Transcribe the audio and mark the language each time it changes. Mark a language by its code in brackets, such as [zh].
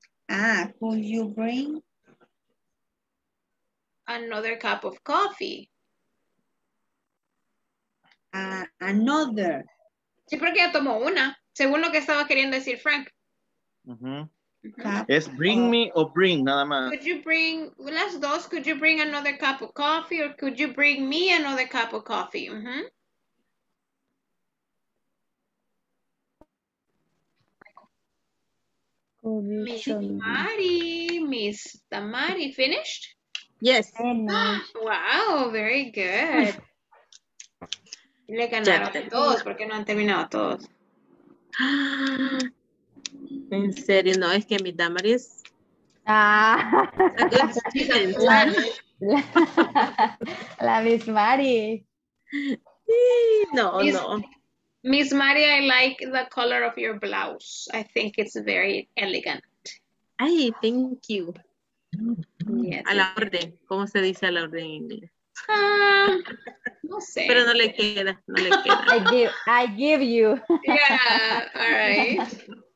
[en] Ah, could you bring another cup of coffee? Another. [es] Sí, porque ya tomó una. Según lo que estaba queriendo decir Frank. Uh-huh. Es [en] bring me [es] o bring, nada más. [en] Could you bring, [es] las dos, [en] could you bring another cup of coffee or could you bring me another cup of coffee? Miss Tamari, Miss Tamari, finished? Yes. Wow, very good. [es] Le ganaron todos, porque no han terminado todos. En serio, no, es que mi Tamari es la Miss Mari. No, [en] Miss Mari, I like the color of your blouse. I think it's very elegant. Ay, thank you. [es] Yeah, a la orden, ¿cómo se dice a la orden en inglés? No sé. Pero no le queda, no le queda. [en] I give you. Yeah, all right.